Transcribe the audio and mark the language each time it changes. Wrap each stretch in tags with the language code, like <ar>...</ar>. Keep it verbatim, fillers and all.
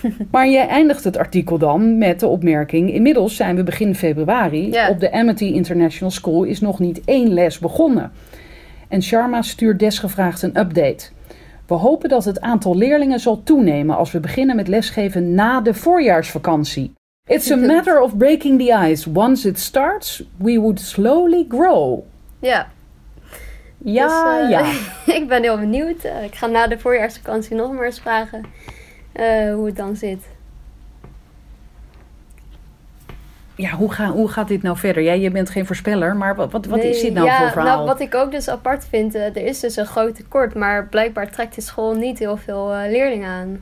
<nl>Maar jij eindigt het artikel dan met de opmerking: inmiddels zijn we begin februari. Ja. Op de Amity International School is nog niet één les begonnen. En Sharma stuurt desgevraagd een update. We hopen dat het aantal leerlingen zal toenemen als we beginnen met lesgeven na de voorjaarsvakantie.</nl> <en>It's a matter of breaking the ice. Once it starts, we would slowly grow.</en> <nl>Ja. Ja, dus, uh, ja. Ik ben heel benieuwd. Uh, ik ga na de voorjaarsvakantie nog maar eens vragen uh, hoe het dan zit. Ja, hoe, ga, hoe gaat dit nou verder? Ja, je bent geen voorspeller, maar wat, wat, wat nee, is dit nou ja, voor verhaal? Nou, wat ik ook dus apart vind, uh, er is dus een groot tekort, maar blijkbaar trekt de school niet heel veel uh, leerlingen aan.</nl>